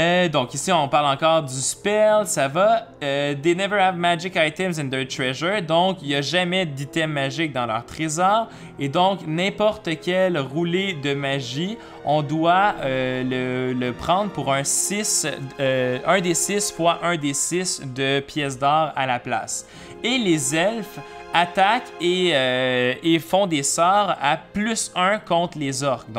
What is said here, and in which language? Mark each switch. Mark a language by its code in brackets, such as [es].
[fr] Donc ici, on parle encore du spell, ça va. [en] They never have magic items in their treasure. [fr] Donc, il n'y a jamais d'items magiques dans leur trésor. Et donc, n'importe quel roulé de magie, on doit le prendre pour un 6, 1d6 fois 1d6 de pièces d'or à la place. Et les elfes attaquent et font des sorts à plus 1 contre les orques.